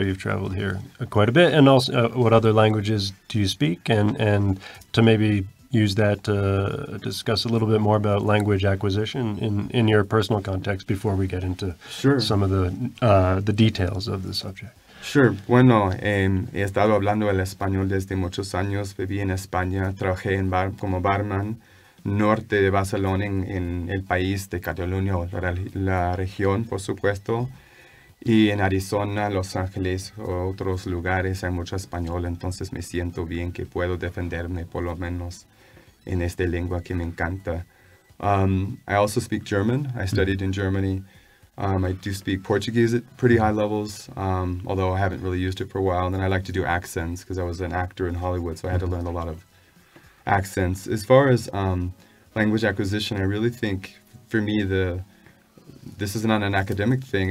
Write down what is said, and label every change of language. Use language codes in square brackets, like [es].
[en] You've traveled here quite a bit, and also, what other languages do you speak? And to maybe use that to discuss a little bit more about language acquisition in your personal context before we get into some of the details of the subject. Sure. [es] Bueno, he estado hablando el español desde muchos años. Viví en España, trabajé como barman norte de Barcelona en el país de Cataluña, la región, por supuesto. Y en Arizona, Los Ángeles, otros lugares hay mucho español. Entonces me siento bien que puedo defenderme, por lo menos, en esta lengua que me encanta. [en] I also speak German. I studied in Germany. I do speak Portuguese at pretty high levels, although I haven't really used it for a while. And then I like to do accents because I was an actor in Hollywood, so I had to learn a lot of accents. As far as language acquisition, I really think for me, this is not an academic thing.